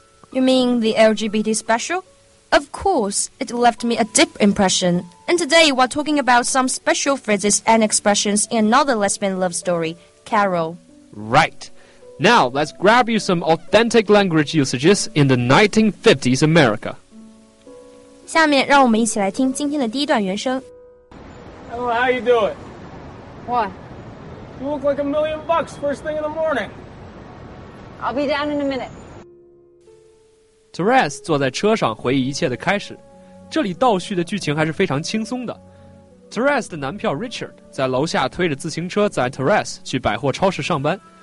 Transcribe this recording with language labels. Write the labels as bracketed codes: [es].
[en] You mean the LGBT special? Of course, it left me a deep impression. And today we're talking about some special phrases and expressions in another lesbian love story, Carol. Right. Now, let's grab you some authentic language usages in the 1950s America. [zh] 下面让我们一起来听今天的第一段原声。 [en] Hello, how you doing? What? You look like $1,000,000 first thing in the morning. I'll be down in a minute. [zh] Therese 坐在车上回忆一切的开始，这里倒叙的剧情还是非常轻松的。 Therese 的男票 Richard 在楼下推着自行车载 Therese 去百货超市上班。